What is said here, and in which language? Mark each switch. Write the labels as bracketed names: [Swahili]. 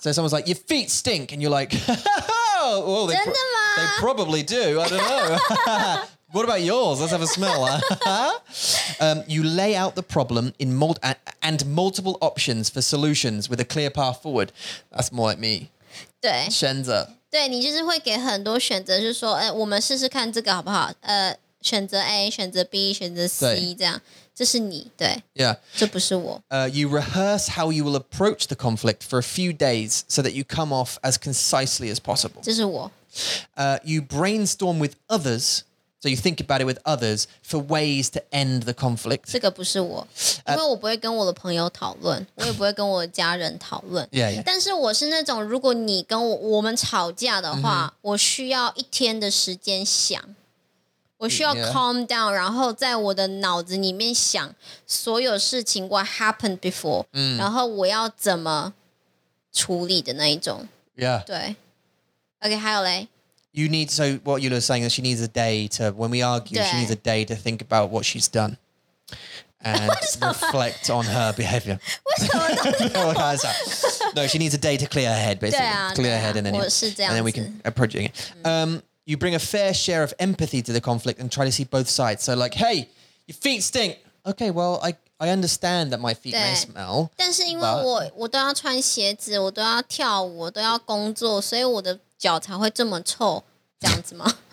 [English] So someone's like, your feet stink, and you're like, oh, they probably do, I don't know. What about yours? Let's have a smell. You lay out the problem in and multiple options for solutions with a clear path forward. That's more like me. [Chinese] 对。选择. 对,你就是会给很多选择,就是说,我们试试看这个好不好?选择 A, 选择 B, 选择 C, 这样,这是你,对。 [English] Yeah. [Chinese] 这不是我。 [English] You rehearse how you will approach the conflict for a few days so that you come off as concisely as possible. [Chinese] 这是我。 [English] You brainstorm with others, so you think about it with others, for ways to end the conflict. [Chinese] 这个不是我, 因为我不会跟我的朋友讨论, 我也不会跟我的家人讨论。 [English] Yeah, yeah. [Chinese] 但是我是那种, 如果你跟我们吵架的话, mm-hmm. 我需要一天的时间想。我需要 [English] calm down, [Chinese] 然后在我的脑子里面想所有事情 [English] what happened before, [Chinese] 然后我要怎么处理的那一种。 [English] Yeah. [Chinese] 对。Okay, 还有嘞? [English] You need, so what Yula is saying is she needs a day to, when we argue, she needs a day to think about what she's done and reflect on her behavior. [Chinese] 为什么都是我? [English] No, she needs a day to clear her head, basically. [Chinese] 对啊, [English] clear [Chinese] 对啊, [English] her head and then, [Chinese] 我是这样子, [English] and then we can approach it. You bring a fair share of empathy to the conflict and try to see both sides. So like, hey, your feet stink. Okay, well, I understand that my feet may smell. [Chinese] 但是因为我都要穿鞋子,我都要跳舞,我都要工作,所以我的脚才会这么臭,这样子吗?